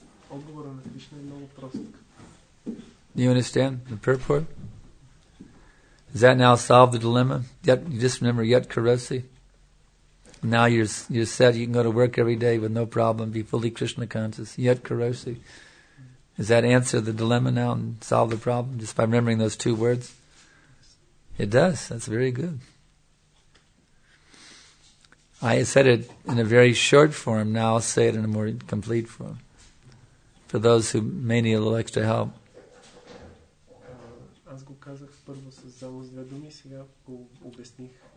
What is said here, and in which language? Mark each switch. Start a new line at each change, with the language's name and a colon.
Bulgarian: Отговорът на Кришна е много прост.
English: Do you understand the purport? Does that now solve the dilemma? You just remember Yad Kiroshi? Now you're set, you can go to work every day with no problem, be fully Krishna conscious. Yad Kiroshi. Does that answer the dilemma now and solve the problem just by remembering those two words? It does. That's very good. I said it in a very short form, now I'll say it in a more complete form. For those who may need a little extra help.
Bulgarian: Аз го казах първо с само с две думи, сега го обясних.